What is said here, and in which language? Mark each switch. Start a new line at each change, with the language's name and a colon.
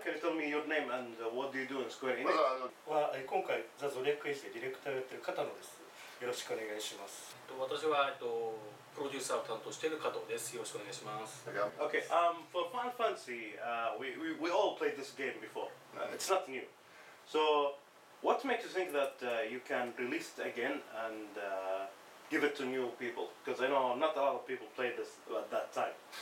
English: Can you tell me your name and what do you do in Square Enix?
Japanese: 今回ザ・ゾディアック・エイジでディレクターをやっている片野です。よろしくお願いします。私はプロデューサーを担当している加藤です。よろしくお願いします。
English: Okay. For Final Fantasy, we all played this game before. It's not new. So, what makes you think that you can release it again and give it to new people? Because I know not a lot of people played this at that time.